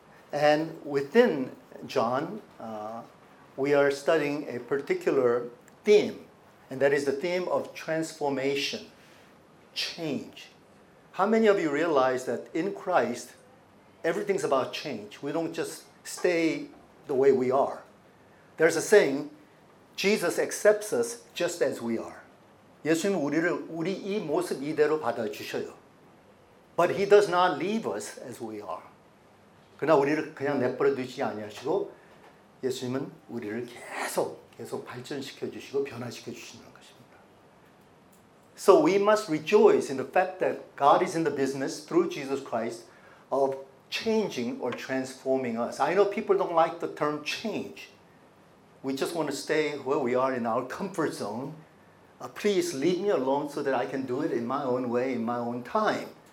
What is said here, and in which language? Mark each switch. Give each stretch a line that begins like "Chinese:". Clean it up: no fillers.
English: And within John, we are studying a particular theme, and that is the theme of transformation, change. How many of you realize that in Christ, everything's about change? We don't just stay the way we are. There's a saying, Jesus accepts us just as we are.
Korean: 예수님은 우리를 우리 이 모습 이대로 받아주셔요.
English: But he does not leave us as we are.
Korean: 그러나 우리를 그냥 내버려 두지 아니하시고 예수님은 우리를 계속 발전시켜 주시고 변화시켜 주시는 것입니다.
English: So we must rejoice in the fact that God is in the business through Jesus Christ of changing or transforming us. I know people don't like the term change. We just want to stay where we are in our comfort zone. Please leave me alone so that I can do it in my own way, in my own time.